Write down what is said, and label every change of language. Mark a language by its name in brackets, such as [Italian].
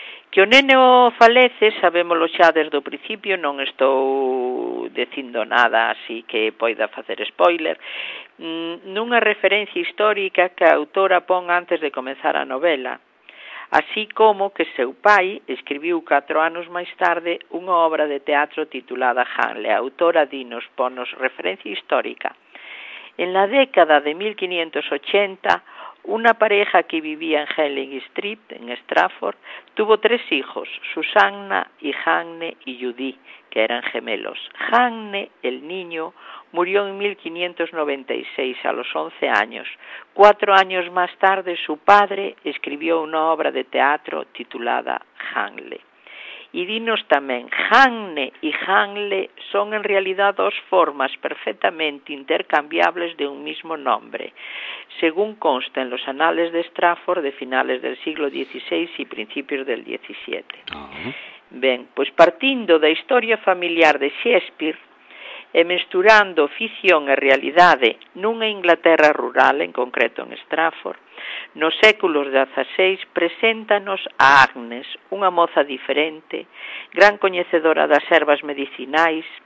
[Galician] Que o neno falece, sabémolo xa desde o principio, non estou dicindo nada así que poida facer spoiler, nunha referencia histórica que a autora pon antes de comenzar a novela, así como que seu pai escribiu 4 anos máis tarde unha obra de teatro titulada Hanne. A autora dinos, ponos referencia histórica. [Spanish] En la década de 1580, una pareja que vivía en Helling Street, en Stratford, tuvo 3 hijos, Susanna y Hanne y Judy, que eran gemelos. Hanne, el niño, murió en 1596 a los 11 años. 4 años más tarde, su padre escribió una obra de teatro titulada Hanne. Y dinos también, Hanne y Hanne son en realidad 2 formas perfectamente intercambiables de un mismo nombre, según consta en los anales de Stratford de finales del siglo XVI y principios del XVII. Bien, pues partiendo de la historia familiar de Shakespeare, [Galician] e mesturando ficción e realidade nunha Inglaterra rural, en concreto en Stratford, nos séculos XVI preséntanos a Agnes, unha moza diferente, gran coñecedora das ervas medicinais,